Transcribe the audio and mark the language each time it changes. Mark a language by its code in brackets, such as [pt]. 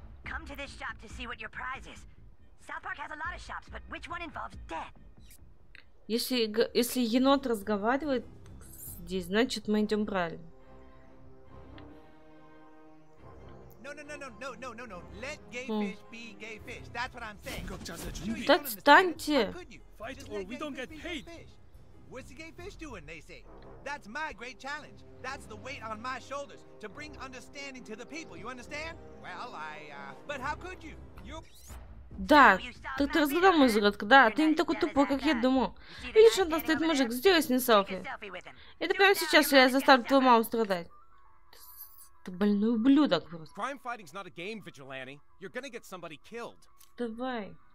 [en] Come to this shop to see what your prize is. South Park has a lot of shops, but which one involves death? [ru] Если енот разговаривает здесь, значит мы идем правильно. [en] No. Let gay fish be gay fish. That's what I'm saying. [ru] Так встаньте. [en] Fight or we don't get paid. What's the gay fish doing, they say? That's my great challenge. That's the weight on my shoulders to bring understanding to the people. You understand? Well, I but how could you? [ru] Да, так ты разгадал мой загадку, да, ты не такой тупой, как я думал. Видишь, он там стоит мужик, сделай с ним селфи. Это прямо сейчас, я заставлю твою маму страдать. Ты больной ублюдок просто. Давай. Давай.